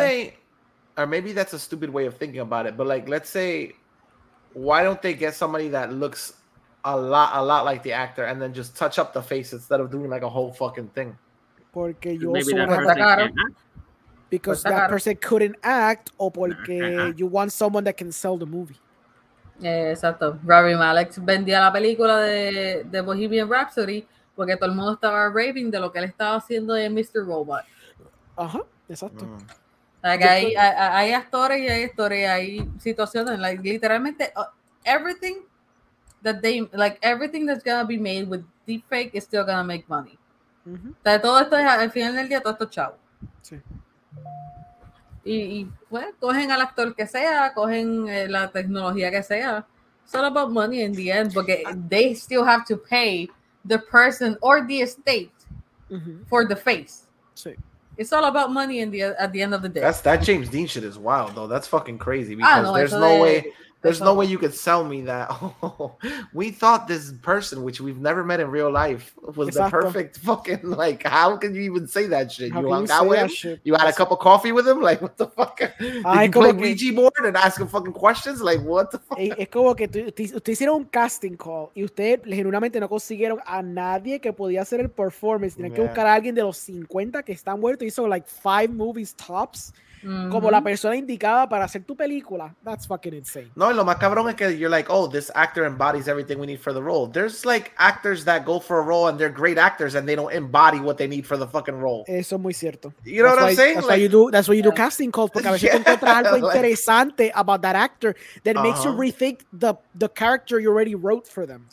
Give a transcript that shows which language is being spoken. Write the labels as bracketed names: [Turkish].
[English] they, or maybe that's a stupid way of thinking about it, but, like, let's say, why don't they get somebody that looks a lot like the actor and then just touch up the face instead of doing, like, a whole fucking thing? [Spanish] Porque yo soy [English] because that person couldn't act, or because you want someone that can sell the movie. [Spanish] Exacto. Rami Malek vendía la película de Bohemian Rhapsody porque todo el mundo estaba raving de lo que él estaba haciendo de Mr. Robot. Ajá, exacto. Like, hay actores y hay historias, hay situaciones. [English] Like, literalmente, everything that they, like, everything that's gonna be made with deepfake is still gonna make money. Mm-hmm. [Spanish] Todo esto es, al final del día, todo esto es chavo. Sí. Y pues cogen al actor que sea, cogen la tecnología que sea. [English] It's all about money in the end, porque they still have to pay the person or the estate for the face. [Spanish] Sí. [English] It's all about money in the at the end of the day. That James Dean shit is wild though. That's fucking crazy because there's no way you could sell me that. We thought this person, which we've never met in real life, was exactly. the perfect fucking, like, how can you even say that shit? How you hung out with him? You had a cup of coffee with him? Like, what the fuck? Did you play Ouija board and ask him fucking questions? Like, what the fuck? [Spanish] Es como que usted hicieron un casting call y usted genuinamente no consiguieron a nadie que podía hacer el performance. Tienen yeah. que buscar a alguien de los 50 que están muertos. Hizo, like, [English] 5 movies tops. [Spanish] Mm-hmm. Como la persona indicada para hacer tu película. [English] That's fucking insane. [Spanish] No, lo más cabrón es que [English] you're like, oh, this actor embodies everything we need for the role. There's like actors that go for a role and they're great actors and they don't embody what they need for the fucking role. [Spanish] Eso es muy cierto. [English] You know that's what I'm saying? That's like, why you do, that's why you yeah. do casting calls. [Spanish] Porque a veces yeah, encuentras algo like, interesante [English] about that actor that uh-huh. makes you rethink the character you already wrote for them.